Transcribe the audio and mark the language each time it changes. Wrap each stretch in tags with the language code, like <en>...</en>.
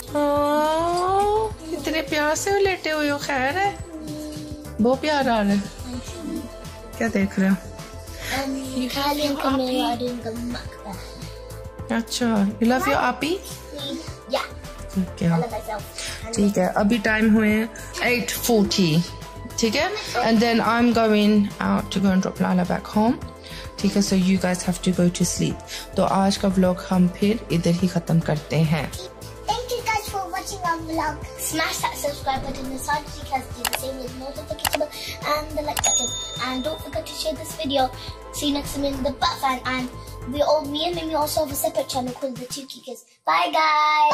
<hi>ओह, इतने प्यार से लेटे हुए हो ख़ैर है। बहुत प्यार आ रहा है। क्या देख रहे हो?</hi> <en>You can't link me riding a mukbang. Gotcha. You love your Abby? Yeah. Okay. I love myself. Okay. Abby time here. 8:40. Okay. And then I'm going out to go and drop Lila back home. Okay, so you guys have to go to sleep.</en> <hi>सो आज का vlog हम फिर इधर ही ख़त्म करते हैं।</hi> <en>Thank you guys for watching our vlog. Smash that subscribe button as hard as you can to do the same with notification bell and the like button. And don't forget to share this video. See you next time in the Butt Fan. And me and Mimi also have a separate channel called The Two Kickers. Bye guys!</en>